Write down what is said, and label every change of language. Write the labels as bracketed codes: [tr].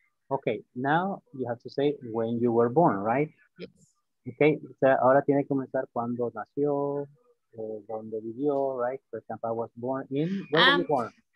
[en] Okay, now you have to say when you were born, right? Yes. Okay, so [es] ahora tiene que comenzar cuando nació, donde vivió, right? [en] For example, I was born in, where were you born?